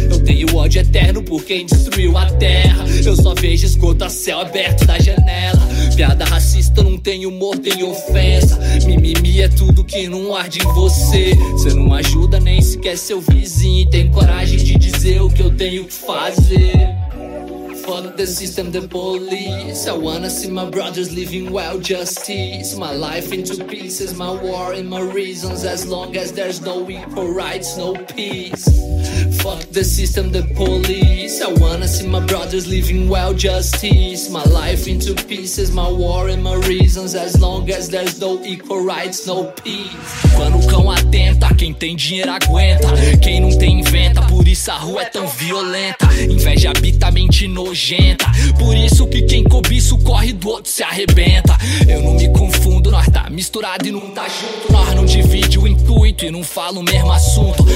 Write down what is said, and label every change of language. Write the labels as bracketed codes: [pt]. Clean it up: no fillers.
[pt] Eu tenho ódio eterno por quem destruiu a terra. Eu só vejo esgoto a céu aberto da janela. Piada racista, não tem humor, tem ofensa. Mimimi é tudo que não arde em você. Você não ajuda nem sequer seu vizinho. Tem coragem de dizer o que eu tenho que fazer. [en] Fuck the system, the police. I wanna see my brothers living well, justice. My life into pieces, my war and my reasons. As long as there's no equal rights, no peace. Fuck the system, the police. I wanna see my brothers living well, justice. My life into pieces, my war and my reasons. As long as there's no equal rights, no peace. [pt] Quando o cão atenta, quem tem dinheiro aguenta. Quem não tem inventa, por isso a rua é tão violenta. Inveja habita a mente no. Por isso que quem cobiça o corre do outro se arrebenta. Eu não me confundo, nós tá misturado e não tá junto. Nós não divide o intuito e não fala o mesmo assunto.